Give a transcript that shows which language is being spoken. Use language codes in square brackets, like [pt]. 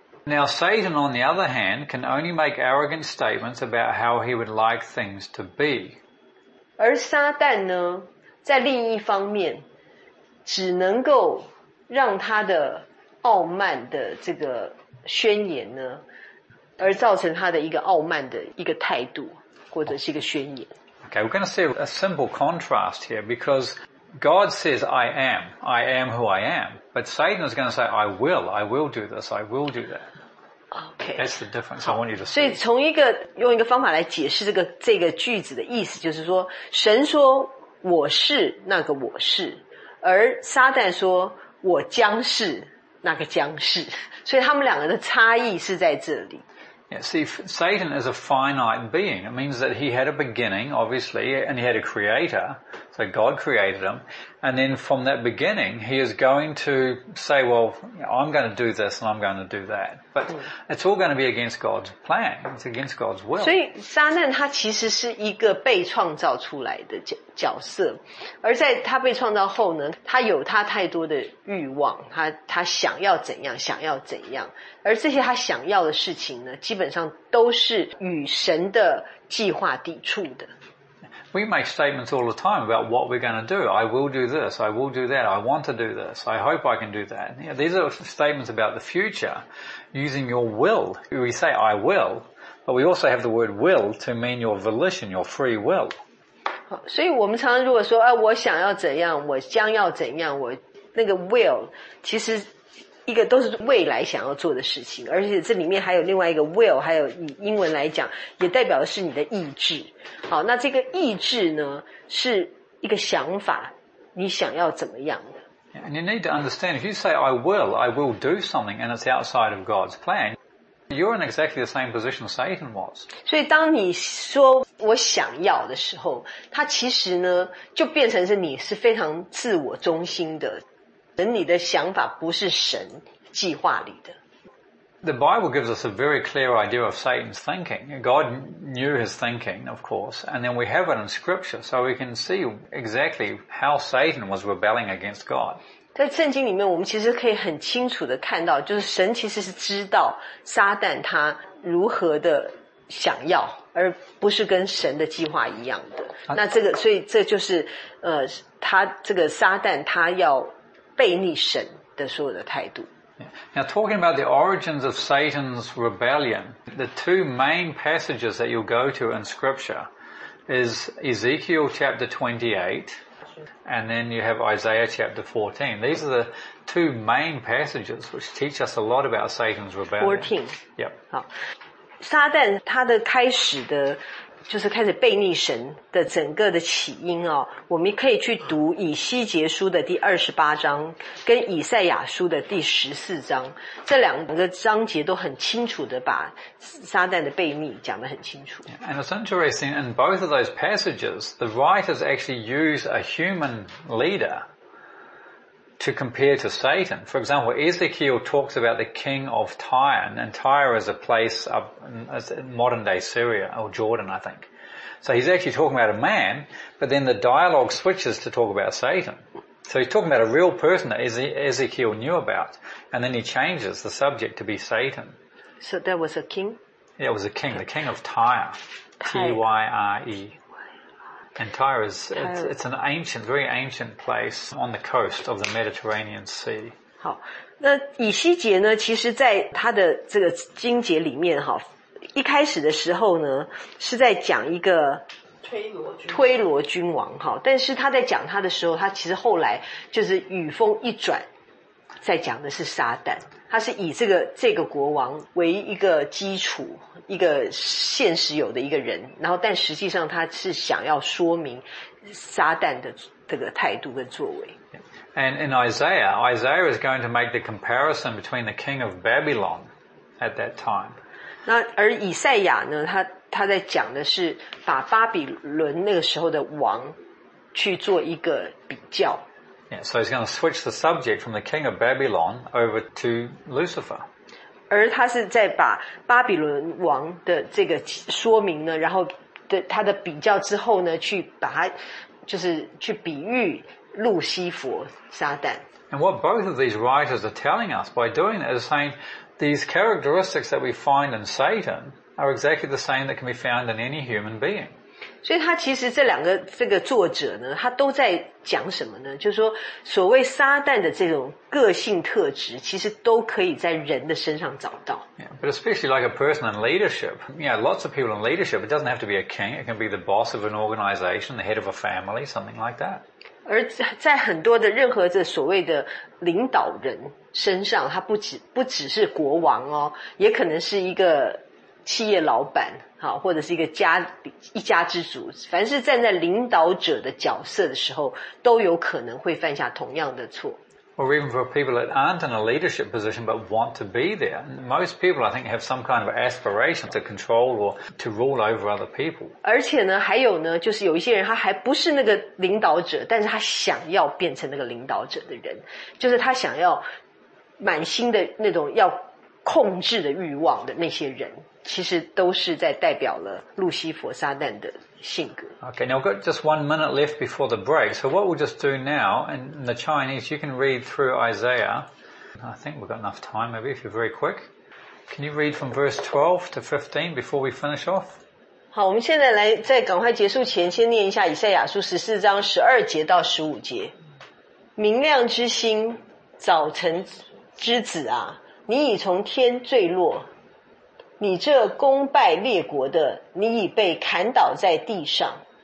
[en] Now Satan, on the other hand, can only make arrogant statements about how he would like things to be. [zh] 而撒旦呢，在另一方面，只能够让他的傲慢的这个宣言呢，而造成他的一个傲慢的一个态度，或者是一个宣言。 [en] Okay, we're going to see a simple contrast here because God says, I am who I am. But Satan is going to say, I will do this, I will do that. Okay. That's the difference I want you to see. [zh] 所以从一个用一个方法来解释这个句子的意思，就是说，神说我是那个我是，而撒旦说我将是那个将是。所以他们两个的差异是在这里。 [en] Yeah, see, Satan is a finite being. It means that he had a beginning, obviously, and he had a creator. So God created him. And then from that beginning, he is going to say, well, I'm going to do this and I'm going to do that. But it's all going to be against God's plan. It's against God's will. [zh] 所以撒旦他其实是一个被创造出来的角色。而在他被创造后呢，他有他太多的欲望，他想要怎样，想要怎样。而这些他想要的事情呢，基本上都是与神的计划抵触的。 [en] We make statements all the time about what we're going to do. I will do this. I will do that. I want to do this. I hope I can do that. Yeah, these are statements about the future using your will. We say I will, but we also have the word will to mean your volition, your free will. [zh] 所以我们常常如果说、啊、我想要怎样，我将要怎样，我那个 will 其实一个都是未来想要做的事情，而且这里面还有另外一个 will， 还有以英文来讲，也代表的是你的意志。好，那这个意志呢，是一个想法，你想要怎么样的 [en] ？And you need to understand if you say I will do something, and it's outside of God's plan, you're in exactly the same position Satan was. [zh] 所以当你说我想要的时候，它其实呢，就变成是你是非常自我中心的。你的想法不是神计划里的。 [en] The Bible gives us a very clear idea of Satan's thinking. God knew his thinking, of course, and then we have it in Scripture, so we can see exactly how Satan was rebelling against God. [zh] 在圣经里面，我们其实可以很清楚的看到，就是神其实是知道撒旦他如何的想要，而不是跟神的计划一样的。那这个，所以这就是他这个撒旦他要。背逆神的所有的态度。 [en] Now talking about the origins of Satan's rebellion, the two main passages that you'll go to in Scripture is Ezekiel chapter 28, and then you have Isaiah chapter 14. These are the two main passages which teach us a lot about Satan's rebellion. 14. Yep. [zh] 好，撒旦他的开始的，就是开始背逆神的整个的起因哦，我们可以去读以西结书的第28章跟以赛亚书的第14章，这两个章节都很清楚的把撒旦的背逆讲得很清楚。 [en] And it's interesting, in both of those passages, the writers actually use a human leader to compare to Satan. For example, Ezekiel talks about the king of Tyre, and Tyre is a place up in modern day Syria, or Jordan, I think. So he's actually talking about a man, but then the dialogue switches to talk about Satan. So he's talking about a real person that Ezekiel knew about, and then he changes the subject to be Satan. So that was a king? Yeah, it was a king, the king of Tyre. T-Y-R-E. And Tyre is, it's an ancient, very ancient place on the coast of the Mediterranean Sea. [zh] 好，那以西结呢，其实在他的这个经节里面哈，一开始的时候呢，是在讲一个推罗君王哈，但是他在讲他的时候，他其实后来就是语风一转，在讲的是撒旦，他是以这个国王为一个基础，一个现实有的一个人，然后但实际上他是想要说明撒旦的这个态度跟作为。 [en] And in Isaiah, Isaiah is going to make the comparison between the king of Babylon at that time. [zh] 那而以赛亚呢，他在讲的是把巴比伦那个时候的王去做一个比较。 [en] Yeah, so he's going to switch the subject from the king of Babylon over to Lucifer. [zh] 而他是在把巴比伦王的这个说明呢，然后的他的比较之后呢，去把他就是去比喻路西佛撒旦。 [en] And what both of these writers are telling us by doing that is saying these characteristics that we find in Satan are exactly the same that can be found in any human being. [zh] 所以他其实这两个这个作者呢，他都在讲什么呢？就是说，所谓撒旦的这种个性特质，其实都可以在人的身上找到。 [en] Yeah, but especially like a person in leadership, yeah, lots of people in leadership. It doesn't have to be a king. It can be the boss of an organization, the head of a family, something like that. [zh] 而在很多的任何这所谓的领导人身上，他不只是国王哦，也可能是一个企业老板。好，或者是一家之主，凡是站在领导者的角色的时候，都有可能会犯下同样的错。 [en] Or even for people that aren't in a leadership position but want to be there. Most people, I think, have some kind of aspiration to control or to rule over other people. [zh] 而且呢，还有呢，就是有一些人他还不是那个领导者，但是他想要变成那个领导者的人，就是他想要满心的那种要控制的欲望的那些人。其实都是在代表了路西佛撒旦的性格。 [en] Okay, now I've got just 1 minute left before the break. So what we'll just do now, and in the Chinese, you can read through Isaiah. I think we've got enough time, maybe, if you're very quick. Can you read from verse 12 to 15 before we finish off? [zh] 好，我们现在来在赶快结束前，先念一下以赛亚书14章12节到15节。明亮之星，早晨之子啊，你已从天坠落。你这功败列国的，你已被砍倒在地上。